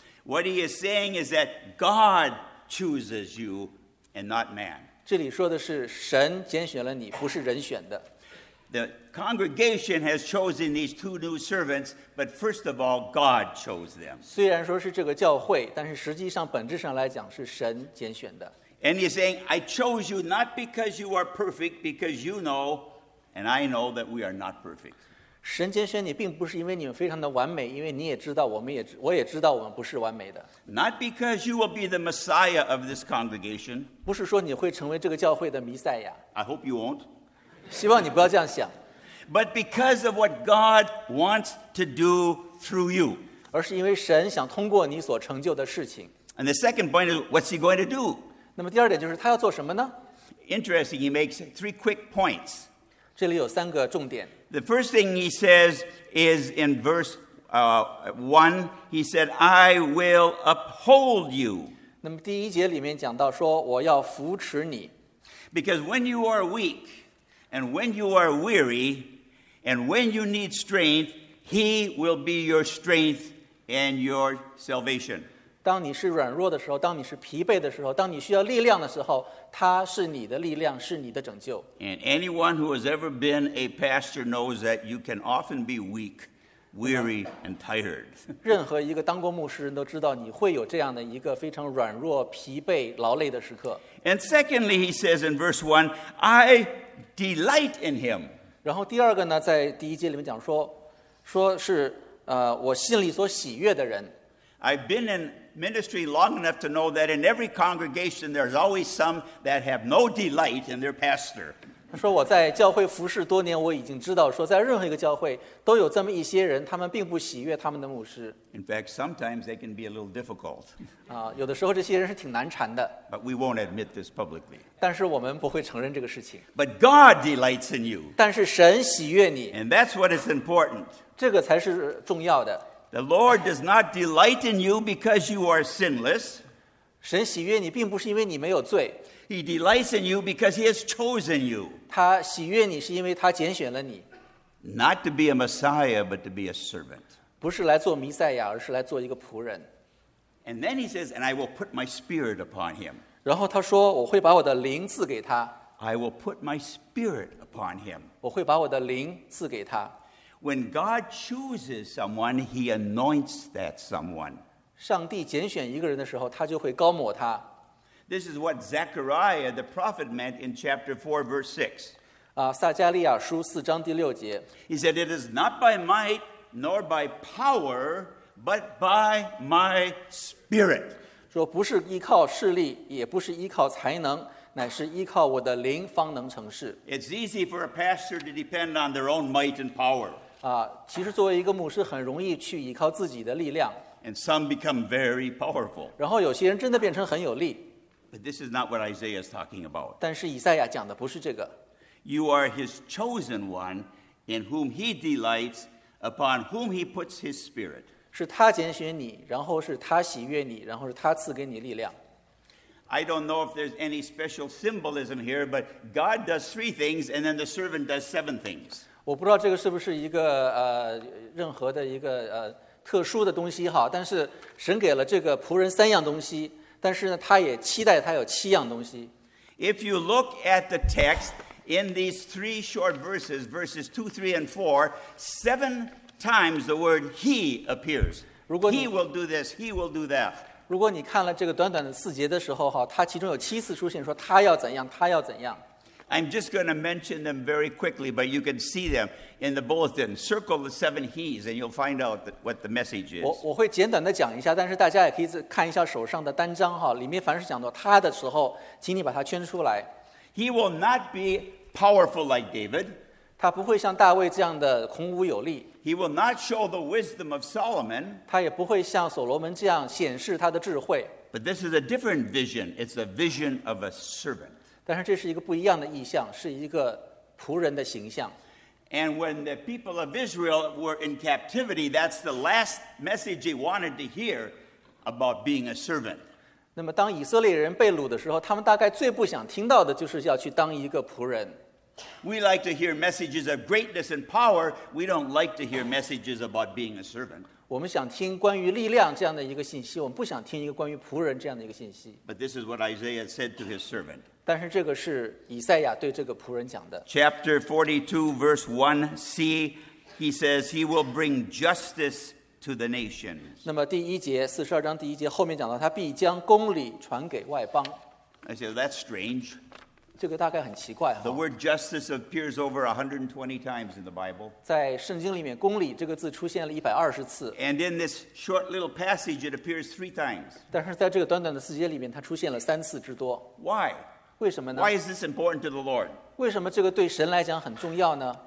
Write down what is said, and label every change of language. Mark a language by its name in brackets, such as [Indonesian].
[English] What he is saying is that God chooses you and not man. [Chinese] 这里说的是神拣选了你，不是人选的。 [English] The congregation has chosen these two new servants, but first of all, God chose them. [Chinese] 虽然说是这个教会，但是实际上本质上来讲是神拣选的。 [English] And he's saying, I chose you not because you are perfect, because you know, and I know that we are not perfect. [Chinese] 神拣选你并不是因为你们非常的完美，因为你也知道，我也知道我们不是完美的。 [English] Not because you will be the Messiah of this congregation. [Chinese] 不是说你会成为这个教会的弥赛亚。 [English] I hope you won't. [Chinese] 希望你不要这样想。 [English] But because of what God wants to do through you. [Chinese] 而是因为神想通过你所成就的事情。 [English] And the second point is, what's he going to do? [Chinese] 那么第二点就是他要做什么呢? [English] Interesting, he makes three quick points. [Chinese] 这里有三个重点。 [English] The first thing he says is in verse 1, he said, I will uphold you. [Chinese] 那么第一节里面讲到说我要扶持你。 [English] Because when you are weak,And when you are weary, and when you need strength, he will be your strength and your salvation. [Chinese] 当你是软弱的时候，当你是疲惫的时候，当你需要力量的时候，他是你的力量，是你的拯救。 [English] And anyone who has ever been a pastor knows that you can often be weak, weary, and tired. [Chinese] 任何一个当过牧师人都知道，你会有这样的一个非常软弱、疲惫、劳累的时刻。 [English] And secondly, he says in verse 1, I delight in him. [Chinese] 然后第二个呢，在第一节里面讲说，说是我心里所喜悦的人。 [English] I've been in ministry long enough to know that in every congregation there's always some that have no delight in their pastor. [Chinese] 他说我在教会服事多年，我已经知道说在任何一个教会都有这么一些人，他们并不喜悦他们的牧师。 [English] In fact, sometimes they can be a little difficult. [Chinese] 有的时候这些人是挺难缠的。 [English] But we won't admit this publicly. [Chinese] 但是我们不会承认这个事情。 [English] But God delights in you. [Chinese] 但是神喜悦你。 [English] And that's what is important. [Chinese] 这个才是重要的。 [English] The Lord does not delight in you because you are sinless. [Chinese] 神喜悦你并不是因为你没有罪。 [English] He delights in you because he has chosen you. [Chinese] 他喜悦你是因为他拣选了你。 [English] Not to be a Messiah, but to be a servant. [Chinese] 不是来做弥赛亚，而是来做一个仆人。 [English] And then he says, and I will put my spirit upon him. [Chinese] 然后他说，我会把我的灵赐给他。 [English] I will put my spirit upon him. [Chinese] 我会把我的灵赐给他。 [English] When God chooses someone, He anoints that someone. [Chinese] 上帝拣选一个人的时候，他就会膏抹他。 [English] This is what Zechariah the prophet meant in chapter 4, verse 6. [Chinese] 撒加利亚书四章第六节。 [English] He said, "It is not by might nor by power, but by my Spirit." [Chinese] 说不是依靠势力，也不是依靠才能。乃是依靠我的灵方能成事。 [English] It's easy for a pastor to depend on their own might and power. [Chinese] 其实作为一个牧师，很容易去依靠自己的力量。 [English] And some become very powerful. [Chinese] 然后有些人真的变成很有力。 [English] But this is not what Isaiah is talking about. [Chinese] 但是以赛亚讲的不是这个。 [English] You are his chosen one, in whom he delights, upon whom he puts his spirit. [Chinese] 是他拣选你，然后是他喜悦你，然后是他赐给你力量。 [English] I don't know if there's any special symbolism here, but God does three things, and then the servant does seven things. [Chinese] 我不知道这个是不是一个任何的一个特殊的东西哈，但是神给了这个仆人三样东西，但是呢，他也期待他有七样东西。 [English] If you look at the text in these three short verses, verses 2, 3, and 4, seven times the word "he" appears. He will do this. He will do that. [Chinese] 如果你看了这个短短的四节的时候，它其中有七次出现说他要怎样，他要怎样。 [English] I'm just going to mention them very quickly, but you can see them in the bulletin. Circle the seven he's, and you'll find out what the message is. [Chinese] 我会简短的讲一下，但是大家也可以看一下手上的单张，里面凡是讲到他的时候，请你把它圈出来。 [English] He will not be powerful like David. [Chinese] 他不会像大卫这样的孔武有力。 [English] He will not show the wisdom of Solomon. [Chinese] 他也不会像所罗门这样显示他的智慧。 [English] But this is a different vision. It's a vision of a servant. [Chinese] 但是这是一个不一样的意象，是一个仆人的形象。 [English] And when the people of Israel were in captivity, that's the last message he wanted to hear about being a servant. [Chinese] 那么当以色列人被掳的时候，他们大概最不想听到的就是要去当一个仆人。 [English] We like to hear messages of greatness and power. We don't like to hear messages about being a servant. [Chinese] 我们想听关于力量这样的一个信息，我们不想听一个关于仆人这样的一个信息。 [English] But this is what Isaiah said to his servant. [Chinese] 但是这个是以赛亚对这个仆人讲的。 [English] Chapter 42, verse 1c, he says he will bring justice to the nations. [Chinese] 那么第一节四十二章第一节后面讲到他必将公理传给外邦。 [English] I said that's strange. [Chinese] 这个大概很奇怪。 [English] The word justice appears over 120 times in the Bible. [Chinese] 在圣经里面，公理这个字出现了120次。 [English] And in this short little passage, it appears three times. [Chinese] 但是在这个短短的四节里面，它出现了三次之多。 [English] Why? [Chinese] 为什么呢？ [English] Why is this important to the Lord? [Chinese] 为什么这个对神来讲很重要呢？